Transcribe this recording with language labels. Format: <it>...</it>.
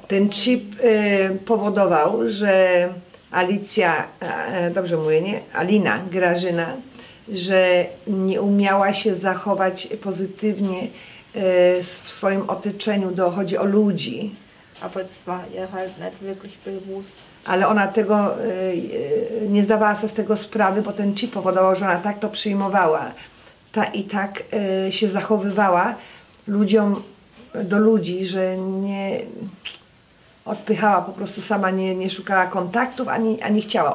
<pl>ten chip powodował, że Alicja, dobrze mówię, nie? Alina, Grażyna, że nie umiała się zachować pozytywnie w swoim otoczeniu, chodzi o ludzi.</pl> <de>Aber das war ihr halt nicht wirklich bewusst.</de> <pl>Ale ona tego nie zdawała sobie z tego sprawy, bo ten chip powodował, że ona tak to przyjmowała. Ta i tak się zachowywała ludziom, do ludzi, że nie odpychała po prostu sama, nie szukała kontaktów, ani chciała.</pl>